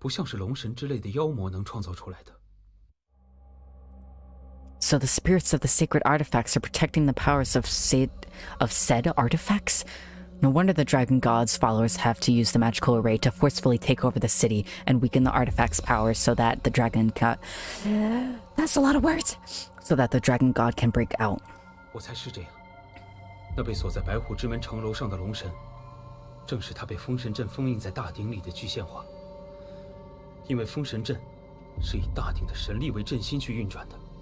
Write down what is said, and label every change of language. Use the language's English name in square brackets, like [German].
[Chinese] 很有可能。我说过异界的一切都是巫力的具现化，城内巫力浑厚纯净，不像是龙神之类的妖魔能创造出来的。 [English] So the spirits of the sacred artifacts are protecting the powers of said artifacts? No wonder the Dragon God's followers have to use the magical array to forcefully take over the city and weaken the artifact's power so that the Dragon God... That's a lot of words! So that the Dragon God can break out. [Chinese] 我猜是这样。那被锁在白虎之门城楼上的龙神，正是他被封神阵封印在大鼎里的具现化。因为封神阵是以大鼎的神力为阵心去运转的。